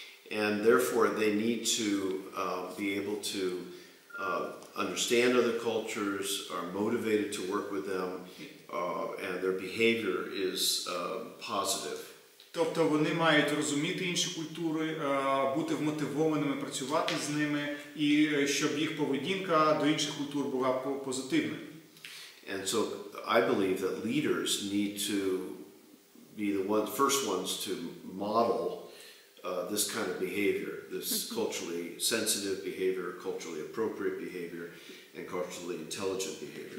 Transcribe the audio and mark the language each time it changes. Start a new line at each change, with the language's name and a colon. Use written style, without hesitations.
English: And therefore they need to be able to understand other cultures, are motivated to work with them, and their behavior is positive.
Ukrainian: Тобто вони мають розуміти інші культури, бути вмотивованими працювати з ними, і щоб їх поведінка до інших культур була позитивна.
English: And so I believe that leaders need to be the one, first ones to model this kind of behavior, this culturally sensitive behavior, culturally appropriate behavior, and culturally intelligent behavior.